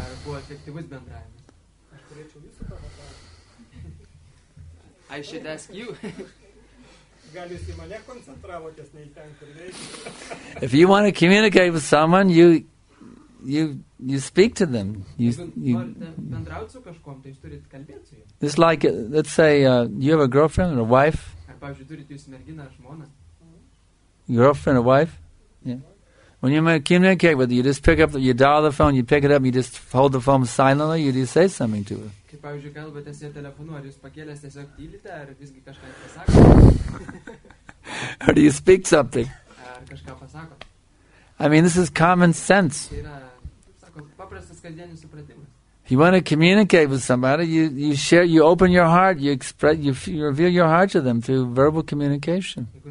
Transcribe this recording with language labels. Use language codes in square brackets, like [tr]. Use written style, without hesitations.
[lt] Kuo efektyvus bendravimas? Aš turėčiau jūsų paklausti. [en] I should ask you. [lt] Gal jūs į mane koncentravotės, nei ten kur reikia. [en] If you want to communicate with someone, you speak to them. You [lt] bendrauti su kažkom, tai jūs turite kalbėti su jais. [en] It's like, let's say, you have a girlfriend or a wife. [lt] Ar pavyzdžiui, turite jūs merginą ar žmoną? [en] Girlfriend or wife? Yeah. When you make communicate with her, you just pick up, you dial the phone, you pick it up, you just hold the phone silently, you just say something to her. [lt] Kaip, pavyzdžiui, kalbate su telefonu, ar jūs pakėlės tiesiog tylite, ar visgi kažką pasakote? [en] Or do you speak something? [lt] Ar kažką pasakote? [en] I mean, this is common sense. [lt] Tai yra, sako, paprastas kasdienis supratimas. [en] You want to communicate with somebody, you share, you open your heart, you express, you reveal your heart to them through verbal communication.